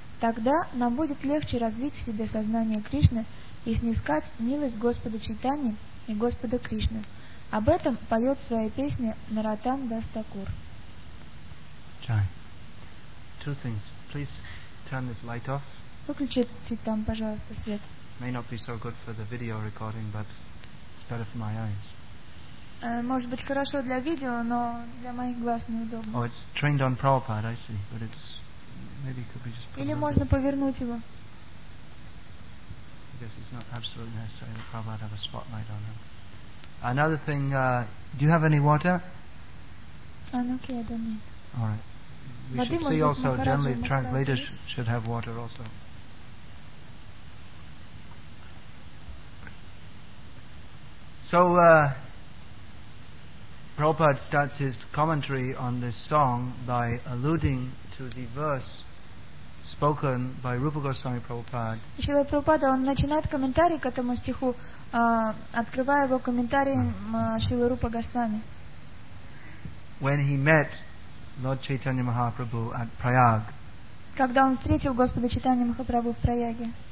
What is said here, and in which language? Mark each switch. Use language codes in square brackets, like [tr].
[ru] Тогда нам будет легче развить в себе сознание Кришны и снискать милость Господа Чайтаньи и Господа Кришны. Об этом поет в своей песне Наратам Дас Такур. Чай. [en] Two things. Please turn this light off. [ru] Выключите там, пожалуйста, свет. [en] May not be so good for the video recording, but it's better for my eyes. [ru] Может быть хорошо для видео, но для моих глаз неудобно. [en] Oh, it's trained on Prabhupada, I see, but it's maybe it could be just. [ru] Или можно повернуть его. [en] I guess it's not absolutely necessary that Prabhupada have a spotlight on him. Another thing, do you have any water? Okay, I don't need. All right. We should see also, generally, translators should have water also. So, Prabhupada starts his commentary on this song by alluding to the verse spoken by Rupa Goswami Prabhupada. [ru] Srila Prabhupada, он начинает комментарий к этому стиху, открывая его комментарием Шрила Рупа Госвами. [en] When he met Lord Chaitanya Mahaprabhu at Prayag. [ru] Когда он встретил Господа Чайтанью Махапрабху в Праяге.